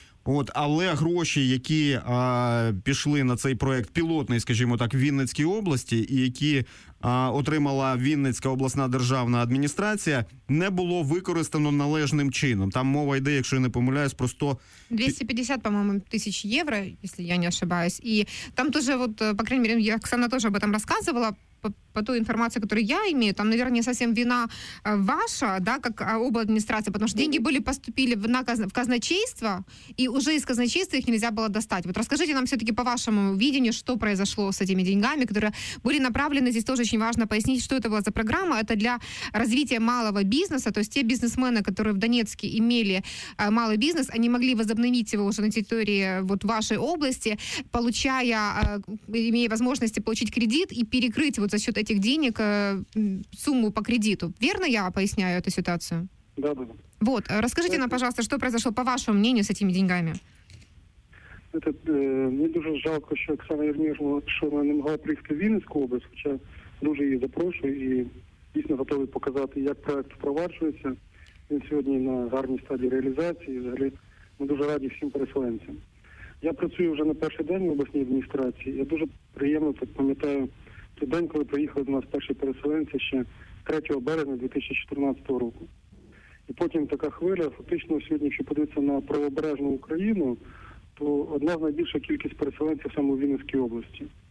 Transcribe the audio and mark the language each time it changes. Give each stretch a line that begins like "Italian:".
Ukrainian: От, але гроші, які пішли на цей проект пілотний, скажімо так, в Вінницькій області, і які отримала Вінницька обласна державна адміністрація, не було використано належним чином. Там мова йде, якщо я не помиляюсь, про 250, по-моєму, тисяч євро, якщо я не ошибаюсь. І там теж,
Russian: по крайней мере,
Ukrainian: Оксана теж об этом розказувала.
Russian: По той информации, которую я имею, там, наверное, не совсем вина ваша, да, как обладминистрация, потому что деньги были поступили в казначейство, и уже из казначейства их нельзя было достать. Вот расскажите нам все-таки по вашему видению, что произошло с этими деньгами, которые были направлены, здесь тоже очень важно пояснить, что это была за программа. Это для развития малого бизнеса, то есть те бизнесмены, которые в Донецке имели малый бизнес, они могли возобновить его уже на территории вот вашей области, получая, имея возможности получить кредит и перекрыть вот за счет этих денег сумму по кредиту. Верно я поясняю эту ситуацию? Да, да. Вот, расскажите нам, пожалуйста, что произошло, по вашему мнению, с этими деньгами? Это, мне дуже жалко, что Оксана Ермешина, что она не могла приехать в Вінницьку область, хотя дуже ее запрошу и действительно готовы показать, как проект впроваджується. Он сегодня на гарній стадии реализации.
Ukrainian: Взагалі, мы дуже раді всім переселенцям. Я працюю уже на перший день в обласній адміністрації. Я дуже приємно так пам'ятаю той день, коли приїхали до нас перші переселенці ще 3 березня 2014 року. І потім така хвиля, фактично сьогодні, якщо подивитися на правобережну Україну, то одна з найбільших кількість переселенців саме у Вінницькій області.